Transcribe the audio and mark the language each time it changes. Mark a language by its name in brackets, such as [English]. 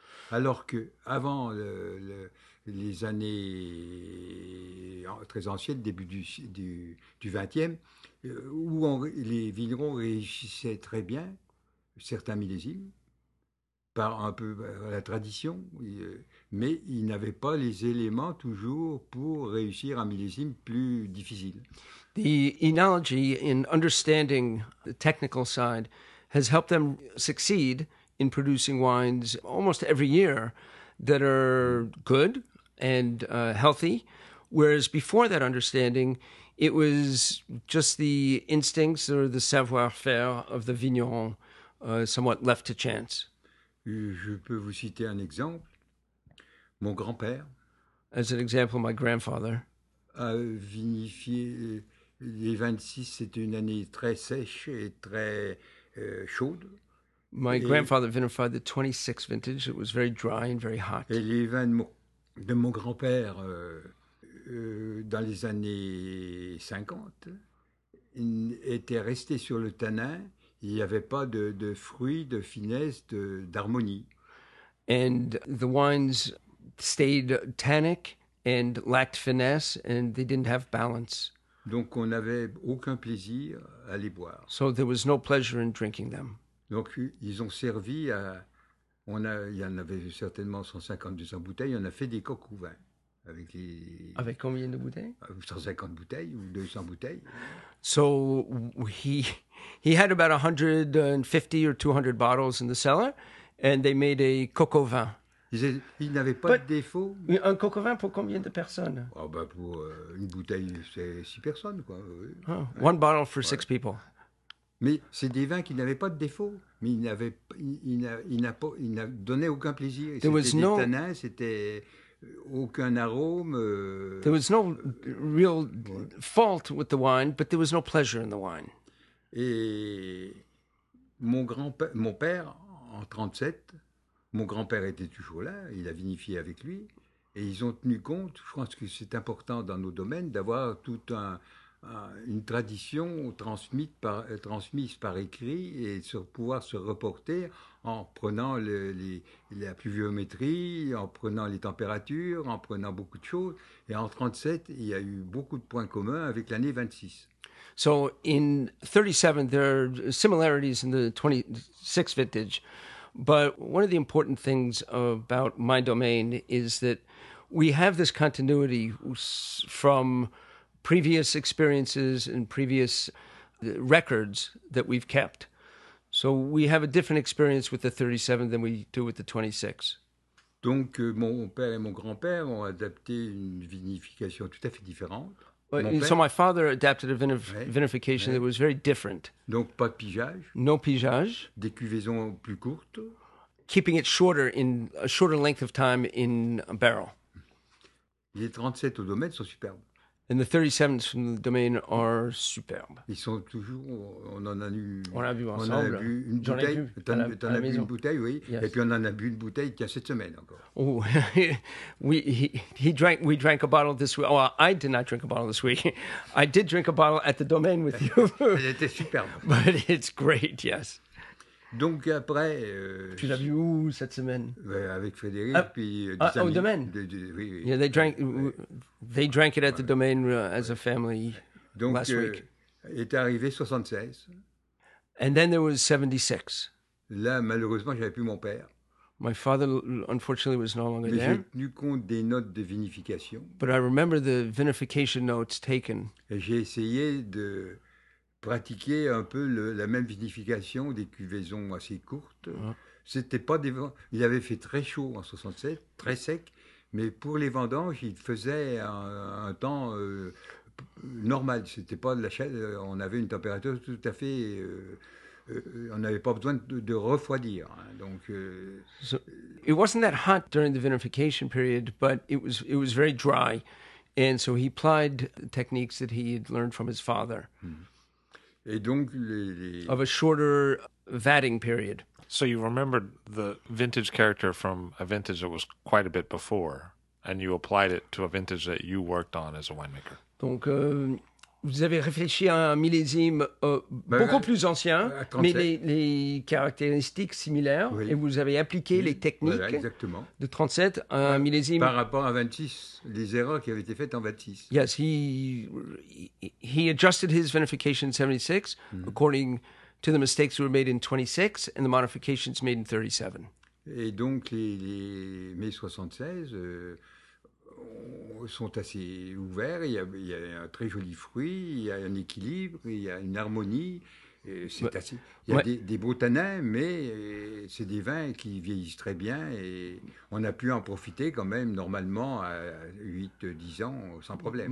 [French] Alors qu'avant les années très anciennes, début du 20e, où les vignerons réussissaient très bien certains millésimes, par un peu la tradition, mais ils n'avaient pas les éléments toujours pour réussir un millésime plus difficile. [English] The analogy in understanding the technical side has helped them succeed in producing wines almost every year that are good and healthy, whereas before that understanding, it was just the instincts or the savoir-faire of the vigneron somewhat left to chance. [French] Je peux vous citer un exemple. Mon grand-père, [English] as an example, my grandfather, [French] a vinifié. Les 26, c'était une année très sèche et très chaude. [English] My grandfather vinified the 26 vintage. It was very dry and very hot. [French] Et les vins de mon grand-père dans les années 50 étaient restés sur le tanin. Il n'y avait pas de fruits, de finesse, d'harmonie. [English] And the wines stayed tannic and lacked finesse and they didn't have balance. [French] Donc on n'avait aucun plaisir à les boire. [English] So there was no pleasure in drinking them. [French] Donc ils ont servi à... il y en avait certainement 150-200 bouteilles, on a fait des coques au vin. Avec combien de bouteilles? 150 bouteilles ou 200 bouteilles. [English] So he had about 150 or 200 bottles in the cellar and they made a coke au vin. [French] Ils n'avaient pas de défaut. Un coke au vin pour combien de personnes? Oh, ben pour une bouteille, c'est 6 personnes. Quoi. Oh, [English] one bottle for 6 people. [French] Mais c'est des vins qui n'avaient pas de défaut. Mais ils n'a donné aucun plaisir. [English] There [French] c'était [English] was [French] des [English] no... [French] tanins, c'était... aucun arôme. [English] There was no real fault with the wine, but there was no pleasure in the wine. [French] Et mon père, en 37, mon grand-père était toujours là, il a vinifié avec lui, Et ils ont tenu compte, je pense que c'est important dans nos domaines, d'avoir toute une tradition transmise par écrit et de pouvoir se reporter en prenant la pluviométrie, en prenant les températures, en prenant beaucoup de choses. Et en 37, il y a eu beaucoup de points communs avec l'année 26. [English] So in 37, there are similarities in the 26 vintage. But one of the important things about my domain is that we have this continuity from previous experiences and previous records that we've kept. So we have a different experience with the 37 than we do with the 26. [French] Donc mon père et mon grand-père ont adapté une vinification tout à fait différente. [English] So my father adapted a vinification that was very different. [French] Donc pas de pigeage. [English] No pigeage. [French] Des cuvaisons plus courtes. [English] Keeping it shorter, in a shorter length of time in a barrel. [French] Les 37 au domaine sont superbes. [English] And the 37s from the domain are superbes. [French] Ils sont toujours, on en a eu. On a vu ensemble. On a bu une bouteille. T'en as bu une bouteille, oui. Yes. Et puis on en a bu une bouteille qui a cette semaine encore. [English] Oh, we drank a bottle this week. Oh, I did not drink a bottle this week. I did drink a bottle at the domain with you. [French] Elle était superbe. [English] But it's great, yes. [French] Donc après. Tu l'as vu où cette semaine? Avec Frédéric, puis. Au domaine? Oui, oui. [English] Yeah, they drank it at the domain as a family. [French] Donc, [English] last week. [French] Est arrivé 76. [English] And then there was 76. [French] Là, malheureusement, j'avais plus mon père. [English] My father, unfortunately, was no longer [French] Mais [English] there. [French] J'ai tenu compte des notes de vinification. [English] But I remember the vinification notes taken. [French] Et j'ai essayé de. Pratiquer un peu la même vinification des cuvaisons assez courtes. Ouais. C'était pas des vents. Il avait fait très chaud en 67, très sec, mais pour les vendanges, il faisait un temps normal. C'était pas de la chaleur. On avait une température tout à fait. On n'avait pas besoin de refroidir. Hein. Donc. [English] It wasn't that hot during the vinification period, but it was very dry, and so he applied techniques that he had learned from his father. [French] Et donc [English] of a shorter vatting period. So you remembered the vintage character from a vintage that was quite a bit before, and you applied it to a vintage that you worked on as a winemaker. [French] Donc, vous avez réfléchi à un millésime beaucoup plus ancien, mais les caractéristiques similaires, oui. Et vous avez appliqué les techniques de 37 à un millésime. Par rapport à 26, les erreurs qui avaient été faites en 26. [English] Yes, he adjusted his vinification in 76 according to the mistakes that were made in 26 and the modifications made in 37. [French] Et donc, les mai 76... sont assez ouverts, il y a un très joli fruit, il y a un équilibre, il y a une harmonie, des beaux tanins, mais c'est des vins qui vieillissent très bien et on a pu en profiter quand même normalement à 8-10 ans sans problème.